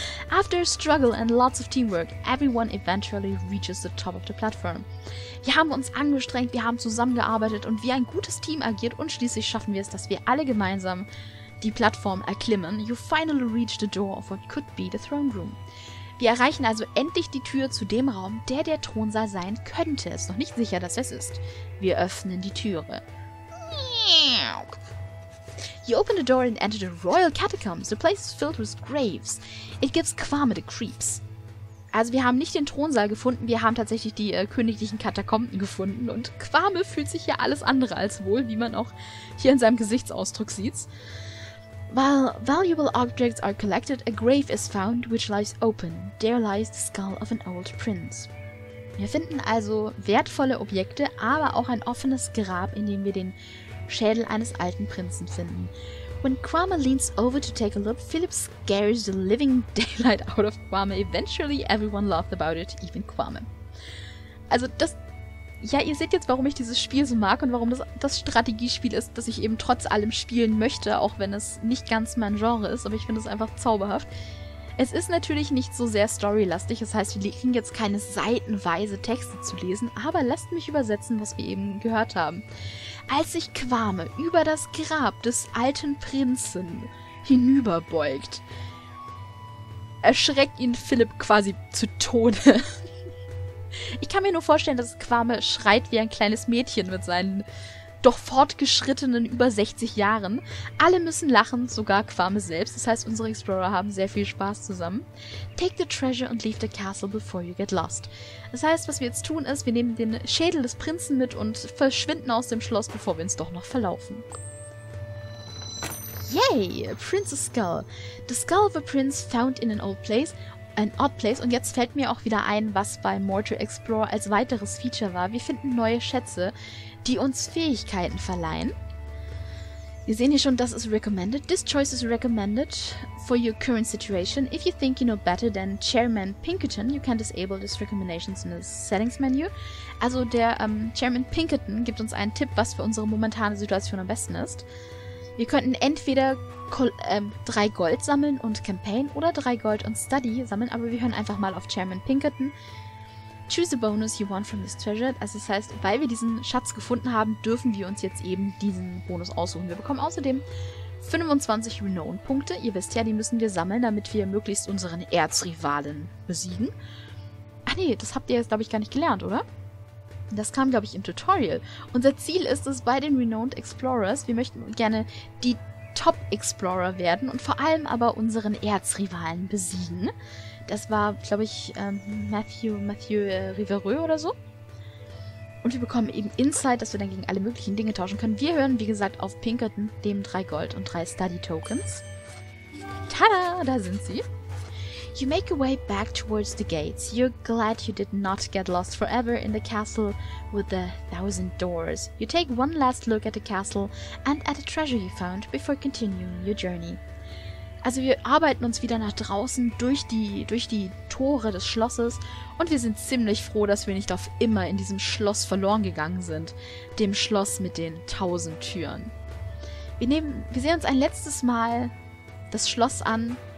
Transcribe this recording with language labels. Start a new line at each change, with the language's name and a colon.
English: After a struggle and lots of teamwork, everyone eventually reaches the top of the platform.
German: Wir haben uns angestrengt, wir haben zusammengearbeitet und wie ein gutes Team agiert und schließlich schaffen wir es, dass wir alle gemeinsam die Plattform erklimmen.
English: You finally reach the door of what could be the throne room.
German: Wir erreichen also endlich die Tür zu dem Raum, der Thronsaal sein könnte. Es ist noch nicht sicher, dass es ist. Wir öffnen die Türe.
English: Miau. You open the door and enter the royal catacombs. The place is filled with graves. It gives Kwame the creeps.
German: Also wir haben nicht den Thronsaal gefunden, wir haben tatsächlich die königlichen Katakomben gefunden. Und Kwame fühlt sich hier alles andere als wohl, wie man auch hier in seinem Gesichtsausdruck sieht.
English: While valuable objects are collected, a grave is found, which lies open. There lies the skull of an old prince.
German: Wir finden also wertvolle Objekte, aber auch ein offenes Grab, in dem wir den Schädel eines alten Prinzen finden.
English: When Kwame leans over to take a look, Philip scares the living daylight out of Kwame. Eventually everyone laughed about it, even Kwame.
German: Also das... Ja, ihr seht jetzt, warum ich dieses Spiel so mag und warum das Strategiespiel ist, das ich eben trotz allem spielen möchte, auch wenn es nicht ganz mein Genre ist, aber ich finde es einfach zauberhaft. Es ist natürlich nicht so sehr storylastig, das heißt, wir kriegen jetzt keine seitenweise Texte zu lesen, aber lasst mich übersetzen, was wir eben gehört haben. Als sich Kwame über das Grab des alten Prinzen hinüberbeugt. Erschreckt ihn Philipp quasi zu Tode. Ich kann mir nur vorstellen, dass Kwame schreit wie ein kleines Mädchen mit seinen doch fortgeschrittenen über 60 Jahren. Alle müssen lachen, sogar Kwame selbst. Das heißt, unsere Explorer haben sehr viel Spaß zusammen.
English: Take the treasure and leave the castle before you get lost.
German: Das heißt, was wir jetzt tun ist, wir nehmen den Schädel des Prinzen mit und verschwinden aus dem Schloss, bevor wir uns doch noch verlaufen.
English: Yay! Prince's Skull. The skull of a prince found in an old place. An odd place.
German: Und jetzt fällt mir auch wieder ein, was bei Mortal Explorer als weiteres Feature war. Wir finden neue Schätze, die uns Fähigkeiten verleihen. Wir sehen hier schon, das ist recommended.
English: This choice is recommended for your current situation. If you think you know better than Chairman Pinkerton, you can disable these recommendations in the settings menu.
German: Also der Chairman Pinkerton gibt uns einen Tipp, was für unsere momentane Situation am besten ist. Wir könnten entweder 3 Gold sammeln und Campaign oder 3 Gold und Study sammeln, aber wir hören einfach mal auf Chairman Pinkerton.
English: Choose a bonus you want from this treasure.
German: Also das heißt, weil wir diesen Schatz gefunden haben, dürfen wir uns jetzt eben diesen Bonus aussuchen. Wir bekommen außerdem 25 Renown-Punkte. Ihr wisst ja, die müssen wir sammeln, damit wir möglichst unseren Erzrivalen besiegen. Ach nee, das habt ihr jetzt, glaube ich, gar nicht gelernt, oder? Das kam, glaube ich, im Tutorial. Unser Ziel ist es bei den Renowned Explorers. Wir möchten gerne die Top-Explorer werden und vor allem aber unseren Erzrivalen besiegen. Das war, glaube ich, Matthew Rivereux oder so. Und wir bekommen eben Insight, dass wir dann gegen alle möglichen Dinge tauschen können. Wir hören, wie gesagt, auf Pinkerton, dem 3 Gold und 3 Study Tokens. Tada, da sind sie.
English: You make your way back towards the gates. You're glad you did not get lost forever in the castle with the 1000 doors. You take one last look at the castle and at the treasure you found before continuing your journey.
German: Also wir arbeiten uns wieder nach draußen durch die Tore des Schlosses und wir sind ziemlich froh, dass wir nicht auf immer in diesem Schloss verloren gegangen sind. Dem Schloss mit den 1000 Türen. Wir sehen uns ein letztes Mal das Schloss an.